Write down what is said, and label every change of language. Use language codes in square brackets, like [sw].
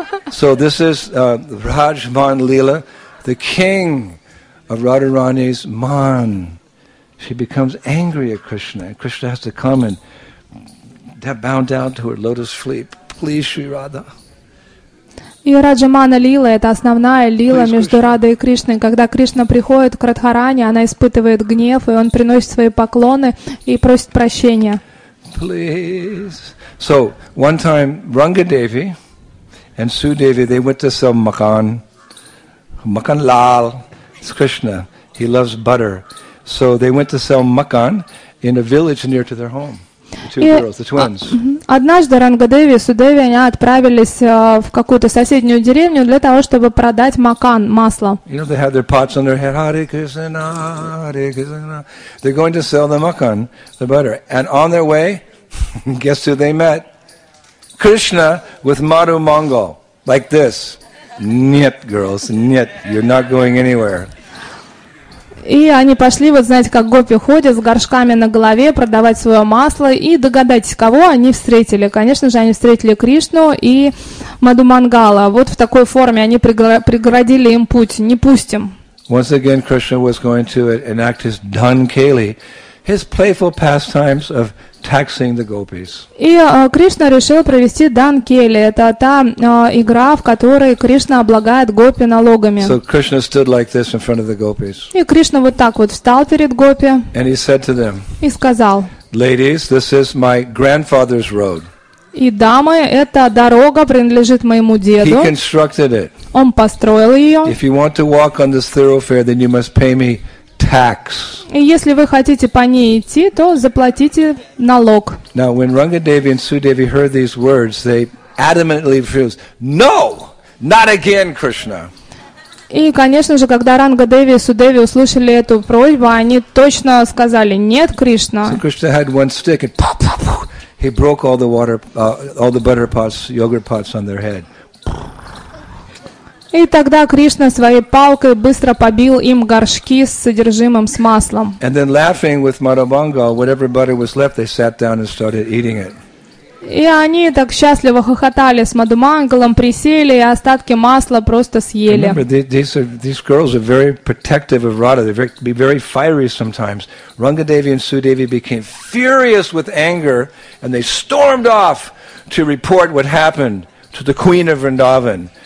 [en] So this is Rajman Leela, the king of Radharani's man. She becomes angry at Krishna, and Krishna has to come and bow down to her lotus feet. Please, Sri Radha. [ru] И Раджамана Лила — это основная лила между Радой и Кришной. Когда Кришна приходит к Радхарани, она испытывает гнев, и он приносит свои поклоны и просит прощения. [en] please. So one time, Ranga Devi and Su Devi, they went to some makan. Makan Lal. It's Krishna. He loves butter. So they went to sell makan in a village near to their home. The two girls, the twins. [ru] Однажды Рангадеви и Судеви они отправились в какую-то соседнюю деревню для того, чтобы продать макан, масло. [en] You know, they have their pots on their head. Hare Krishna, Hare Krishna. They're going to sell the makan, the butter. And on their way, guess who they met? Krishna with Madhu Mangal. Like this. Нет, girls, нет, you're not going anywhere. [ru] И они пошли, вот знаете, как гопи ходят с горшками на голове, продавать свое масло. И догадайтесь, кого они встретили? Конечно же, они встретили Кришну и Мадху Мангала. Вот в такой форме они преградили им путь. Не пустим. [en] Once again, Krishna was going to enact his dhankeli, his playful pastimes of taxing the gopis. [ru] И Кришна решил провести дан-кели. Это та игра, в которой Кришна облагает гопи налогами. [en] So Krishna stood like this in front of the gopis. [ru] И Кришна вот так вот встал перед гопи. [en] And he said to them. [ru] И сказал. [en] Ladies, this is my grandfather's road. [ru] И дамы, эта дорога принадлежит моему деду. [en] He constructed it. [ru] Он построил ее. [en] If you want to walk on this thoroughfare, then you must pay me. Tax. [ru] И если вы хотите по ней идти, то заплатите налог. [en] Now, when Ranga Devi and Su Devi heard these words, they adamantly refused. No, not again, Krishna. [ru] И, конечно же, когда Ранга Деви и Су Деви услышали эту просьбу, они точно сказали: нет, Кришна. [en] So Krishna had one stick and pow, pow, pow, he broke all the water, all the butter pots, yogurt pots on their head. [ru] И тогда Кришна своей палкой быстро побил им горшки с содержимым, с маслом. [en] And then laughing with Madhu Mangal, whatever butter was left, they sat down and started eating it. [ru] И они так счастливо хохотали с Мадху Мангалом, присели и остатки масла просто съели. [en] Remember, these girls are very protective of Radha. They can be very fiery sometimes. Ranga Devi and Su Devi became furious with anger and they stormed off to report what happened to the queen of Vrindavan.